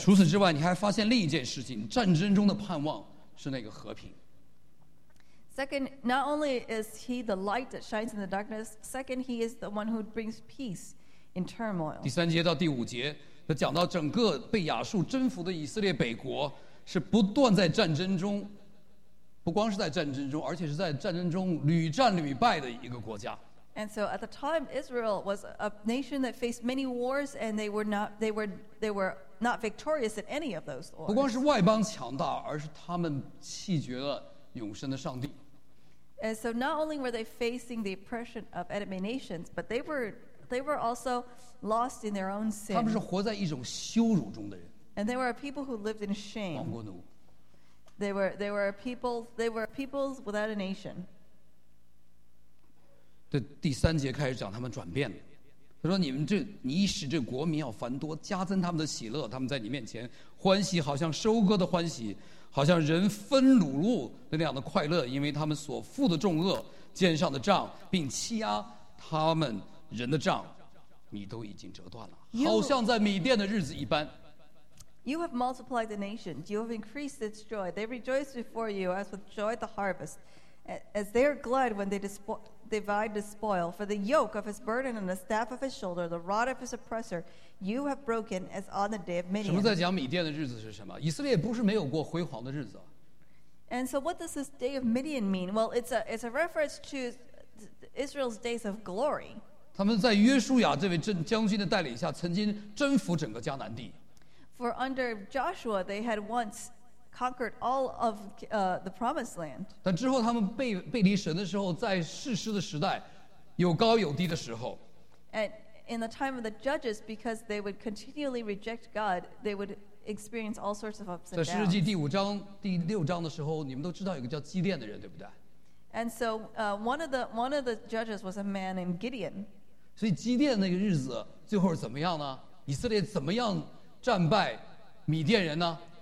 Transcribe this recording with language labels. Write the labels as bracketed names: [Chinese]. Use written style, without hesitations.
[Chinese] 除此之外，你还发现另一件事情：战争中的盼望是那个和平。 [English] Second, not only is he the light that shines in the darkness, second, he is the one who brings peace in turmoil. [Chinese] 第三节到第五节，他讲到整个被亚述征服的以色列北国是不断在战争中，不光是在战争中，而且是在战争中屡战屡败的一个国家。 [English] And so at the time, Israel was a nation that faced many wars, and they were not victorious at any of those wars. [Chinese] 不光是外邦强大，而是他们弃绝了永生的上帝。 [English] And so not only were they facing the oppression of enemy nations, but they were also lost in their own sin. [Chinese] 他们是活在一种羞辱中的人。 [English] And they were a people who lived in shame. [Chinese] 亡国奴。 [English] They were peoples without a nation. [Chinese] 这第三节开始讲他们转变了。他说你们这你使这国民要繁多加增他们的喜乐他们在你面前欢喜好像收割的欢喜好像人分乳酪那样的快乐因为他们所负的重恶肩上的杖并欺压他们人的杖你都已经折断了好像在米甸的日子一般 [English] You have multiplied the nation You have increased its joy They rejoice before you as with joy the harvest As they are glad when they divide the spoil, for the yoke of his burden and the staff of his shoulder, the rod of his oppressor, you have broken as on the day of Midian. [Chinese] 什么在讲米甸的日子是什么？以色列不是没有过辉煌的日子。 [English] And so, what does this day of Midian mean? Well, it's a reference to Israel's days of glory. [Chinese] 他们在约书亚这位将军的带领下，曾经征服整个迦南地。 [English] For under Joshua, they had once. Conquered all of the promised land. [Chinese] 但之后他们背离神的时候，在士师的时代，有高有低的时候。 [English] And in the time of the judges, because they would continually reject God, they would experience all sorts of ups and downs. [Chinese] 在士师记第五章第六章的时候，你们都知道有个叫基甸的人，对不对 [English] ？And so one of the judges was a man named Gideon. [Chinese] 所以基甸那个日子最后是怎么样呢？以色列怎么样战败米甸人呢？